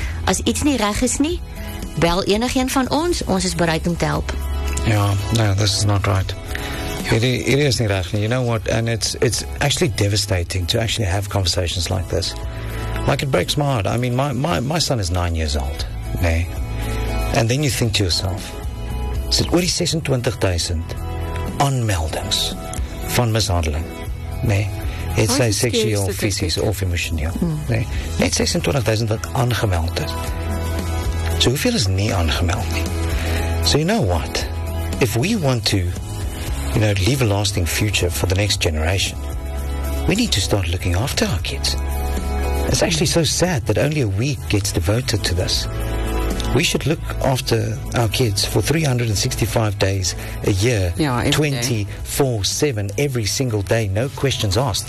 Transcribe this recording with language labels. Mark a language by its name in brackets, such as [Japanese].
[Afrikaans] As iets nie reg is nie, bel enig een van ons, ons is bereid om te help. [English] Ja, no, this is not right. [Afrikaans] Hierdie is nie reg nie, [English] you know what, and it's actually devastating to actually have conversations like this. Like it breaks my heart, I mean, my son is 9 years old, nee. And then you think to yourself, is it [Afrikaans] oor die 26,000 aanmeldings van mishandeling, nee. Het sy seksueel, fysies of emotioneel. Nee, net 26,000 wat aangemeld is. So hoeveel is nie aangemeld nie? [English] So you know what? If we want to, you know, leave a lasting future for the next generation, we need to start looking after our kids. It's actually so sad that only a week gets devoted to this. We should look after our kids for 365 days a year, 24/7, every single day, no questions asked.